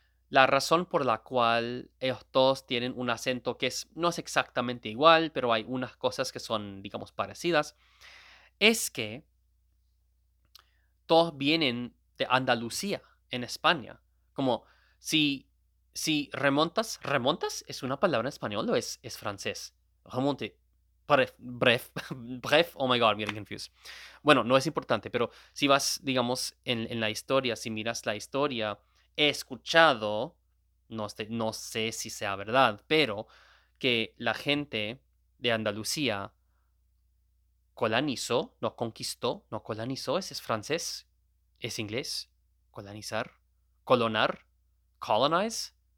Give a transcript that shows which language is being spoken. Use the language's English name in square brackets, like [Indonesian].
[Spanish] la razón por la cual ellos todos tienen un acento que no es exactamente igual, pero hay unas cosas que son, digamos, parecidas, es que todos vienen de Andalucía, en España. Como si remontas, ¿es una palabra en español o es francés? Remonte. [French] Bref, bref, [English] oh my god, I'm getting confused. [Spanish] Bueno, no es importante, pero si vas, digamos, en la historia, si miras la historia, he escuchado, no sé si sea verdad, pero que la gente de Andalucía colonizó, no conquistó, no colonizó, ese es francés, es inglés, colonizar, colonar, colonize.